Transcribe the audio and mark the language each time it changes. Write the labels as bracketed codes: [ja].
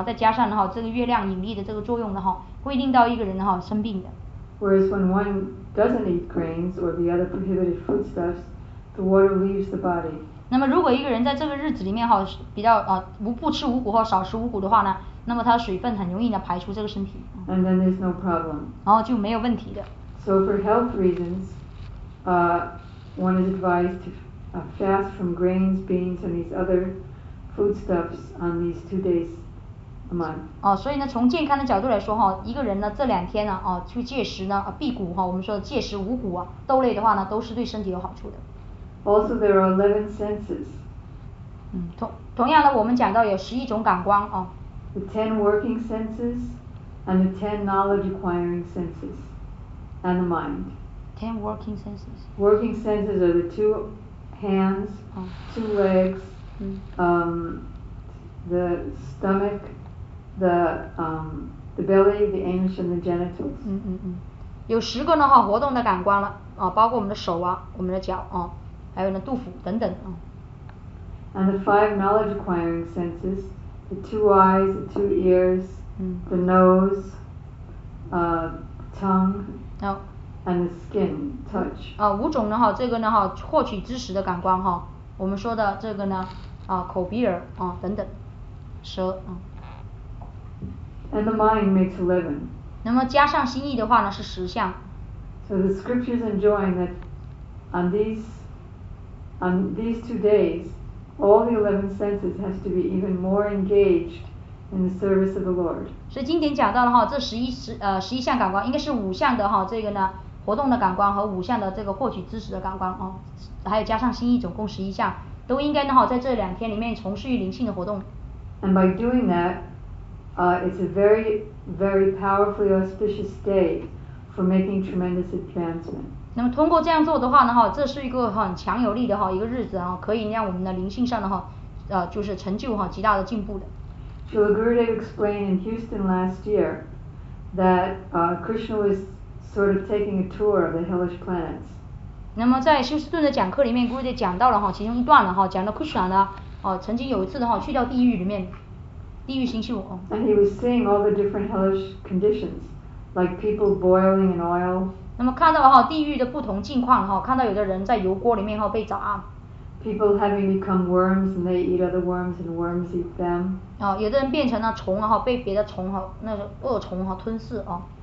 [zh] 那么这个五谷的话，吸纳这个水分，然后停留在躯体里面，再加上这个月亮引力的这个作用。会令到一个人生病的。 [en] Whereas when one doesn't eat grains or the other prohibited foodstuffs, the water leaves the body. [zh] 那么如果一个人在这个日子里面不吃五谷或少食五谷的话，那么他的水分很容易排出这个身体。 [en] And then there's no problem. [zh] 然后就没有问题的。 [en] So for health reasons, One is advised to fast from grains, beans, and these other foodstuffs on these 2 days a month. [zh] 哦，所以呢，从健康的角度来说哈，一个人呢这两天呢，哦，去戒食呢，辟谷哈，我们说戒食五谷啊，豆类的话呢，都是对身体有好处的。 [en] Also, there are 11 senses. [zh] 同样的，我们讲到有十一种感官啊。 [en] The 10 working senses and the 10 knowledge acquiring senses and the mind. 10 working senses. Working senses are the two hands, two legs, the stomach, the belly, the anus, and the genitals. [zh] 有十个呢哈活动的感官了啊，包括我们的手啊，我们的脚啊。还有呢，杜甫等等啊。 [en] And the 5 knowledge acquiring senses, the 2 eyes, the 2 ears, the nose, tongue, and the skin touch. [zh] 啊，五种呢哈，这个呢哈，获取知识的感官哈，我们说的这个呢，啊，口鼻耳啊等等，舌啊。 [en] And the mind makes 11. [zh] 那么加上心意的话呢，是十项。 [en] So the scriptures enjoin that on these 2 days, all the 11 senses has to be even more engaged in the service of the Lord. [zh] 所以经典讲到了哈，这十一项感官应该是五项的哈，这个呢活动的感官和五项的这个获取知识的感官啊，还有加上心意，总共十一项，都应该呢哈在这两天里面从事于灵性的活动。 [en] And by doing that, it's a very, very powerfully auspicious day for making tremendous advancement. [zh] 那么通过这样做的话呢，这是一个很强有力的一个日子，可以让我们的灵性上的就是成就极大的进步的。 [en] So Gurudev explained in Houston last year that Krishna was sort of taking a tour of the hellish planets. [zh] 那么在休斯顿的讲课里面，Gurudev讲到了其中一段了，讲到 Krishna 呢，曾经有一次的去到地狱里面，地狱星宿。 [en] And he was seeing all the different hellish conditions, like people boiling in oil. [zh] 那么看到哈地狱的不同境况哈，看到有的人在油锅里面哈被炸。 [en] People having become worms and they eat other worms and worms eat them. [zh] 哦，有的人变成了虫哈，被别的虫哈，那个恶虫哈吞噬啊。